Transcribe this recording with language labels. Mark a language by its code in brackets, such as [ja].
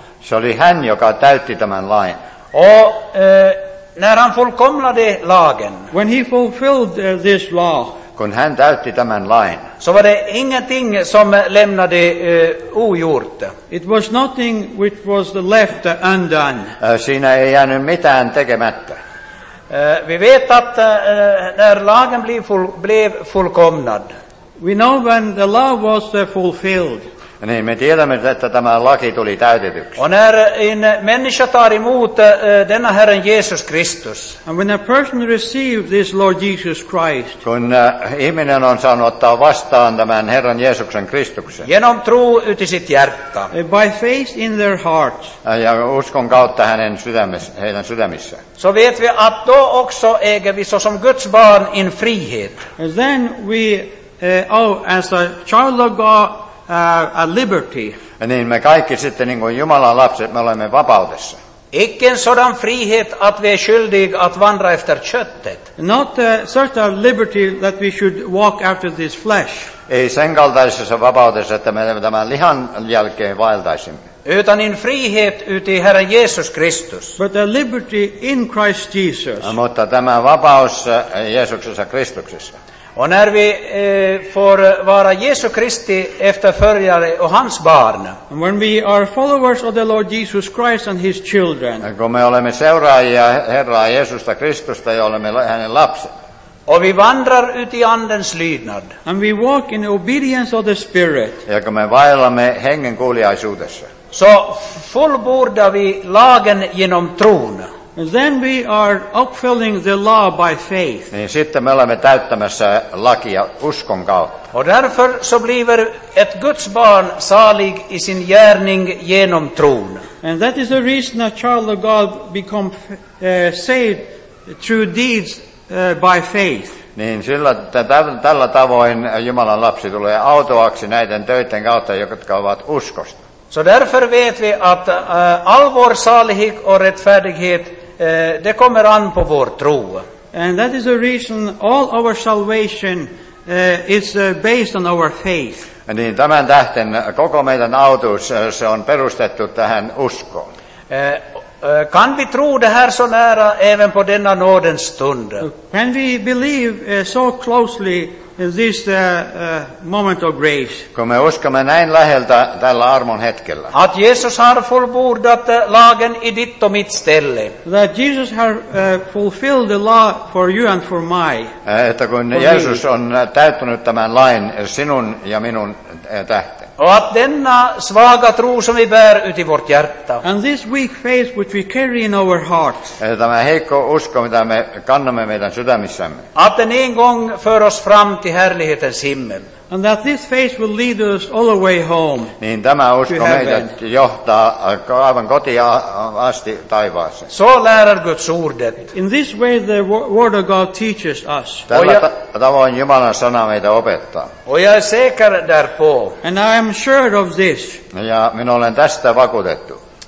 [fi] Se oli hän, joka täytti tämän lain. [sv] Och när han fullkomlade lagen. [en] When he fulfilled this law. [fi] Kun hän täytti tämän lain. [sv] Så var det ingenting som lämnade ogjort. [en] It was nothing which was left undone. [fi] Siinä ei jäänyt mitään tekemättä. [sv] Vi vet att när lagen blev fullkomnad. [en] We know when the law was fulfilled. [fi] Niin, me tiedämme, että tämä laki tuli täytetyksi. [sv] Och när en människa tar emot denna Herren Jesus Kristus. [en] And when a person received this Lord Jesus Christ. [fi] Kun ihminen on saanut ottaa vastaan tämän Herran Jeesuksen Kristuksen. [sv] Genom tro uti sitt hjärta. [en] By faith in their heart. [fi] Ja uskon kautta hänen heidän sydämissä. [sv] Så vet vi att då också äger vi så som Guds barn en frihet. [en] And then we, as a child of God, a liberty. [fi] Niin me kaikki sitten niin kuin Jumalan lapset me olemme vapaudessa. [sv] Ikken sådan frihet att vi är skyldig att vandra efter köttet. [en] Not such a liberty that we should walk after this flesh. [fi] Ei sen kaltaisessa vapaudessa, että me tämän lihan jälkeen vaeltaisimme. [sv] Utan en frihet uti Herran Jesus Kristus. [en] But a liberty in Christ Jesus. [fi] Mutta tämä vapaus Jeesuksessa Kristuksessa. [sv] Och när vi får vara Jesu Kristi efterföljare och hans barn. [en] And when we are followers of the Lord Jesus Christ and his children. [fi] Kun me olemme seuraajia Herraa Jeesusta Kristusta ja olemme hänen lapset. [sv] Och vi vandrar ut i andens lydnad. [en] And we walk in obedience of the Spirit. [fi] Ja kun me vaellamme hengen kuuliaisuudessa. [sv] Så fullbordar vi lagen genom tron. [en] And then we are upfilling the law by faith. [fi] Niin sitten me olemme täyttämässä lakia uskon kautta. [sv] Och därför så blir ett Guds barn salig i sin gärning genom tron. [en] And that is the reason a child of God become saved through deeds by faith. [fi] Niin sillä tällä tavoin Jumalan lapsi tulee autoaksi näiden töiden kautta, jotka ovat uskosta. [sv] Så därför vet vi att all vår salighet och rättfärdighet det kommer an på vår tro. [en] And that is the reason all our salvation is based on our faith. [fi] And niin tämän tähden koko meidän autuus se on perustettu tähän uskoon. [sv] Kan vi tro det här så nära även på denna nådens stund? [en] Can we believe so closely in this moment of grace? [fi] Kun me uskomme näin läheltä tällä armon hetkellä. [sv] Att Jesus har fullbordat lagen i ditt och mitt ställe. [en] That Jesus har fulfilled the law for you and for my. [fi] Että kun Jeesus on täyttänyt tämän lain sinun ja minun tähden. [sv] Och att denna svaga tro som vi bär ut i vårt hjärta. [en] And this weak faith which we carry in our hearts. [fi] Tämä heikko usko, mitä me kannamme meidän sydämissämme. [sv] Att den en gång för oss fram till härlighetens himmel. [en] And that this faith will lead us all the way home. [fi] Niin tämä usko meidät johtaa aivan kotiin asti taivaaseen. [sv] Så lärar Guds ordet. [en] In this way the word of God teaches us. [fi] Tavoin Jumalan sana meitä opettaa. [sv] Och jag är säker därpå. [en] And I am sure of this. [fi] Ja minä olen tästä vakuutettu.